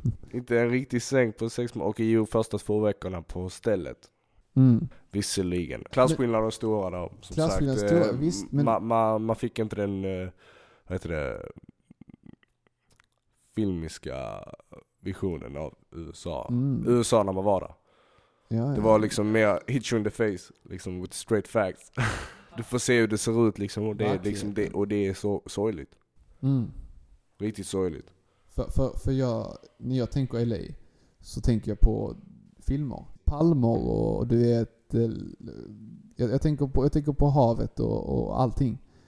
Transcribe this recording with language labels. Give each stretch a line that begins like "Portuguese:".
Swedish: Inte en riktig säng på 6 månader. Okej, ju första 2 veckorna på stället. Mm. Visserligen. Klasskillnader är stora då. Klasskillnader är stora, visst. Men... Man fick inte den, vad heter det, filmiska... visionen av USA. Mm. USA när man var där. Ja, det ja. Var liksom mer
English: hit you in the face.
Swedish: Liksom
English: with straight facts.
Swedish: Du får se hur det ser ut. Liksom, och, det är liksom det, och det är så sorgligt. Mm. Riktigt sorgligt. För jag, när jag tänker LA så tänker jag på filmer. Palmer och du vet jag tänker på havet och allting.